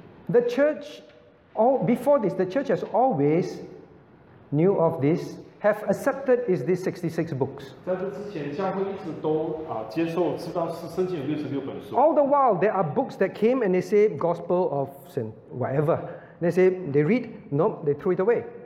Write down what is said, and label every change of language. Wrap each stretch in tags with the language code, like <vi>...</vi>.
<en>The church, all before this, the church has always knew of this, have accepted is these 66 books.</en> <zh>在这之前，教会一直都接受知道是圣经有66本书。</zh> <en>All the while, there are books that came and they say Gospel of Saint whatever. They say they read, nope, they threw it away.</en>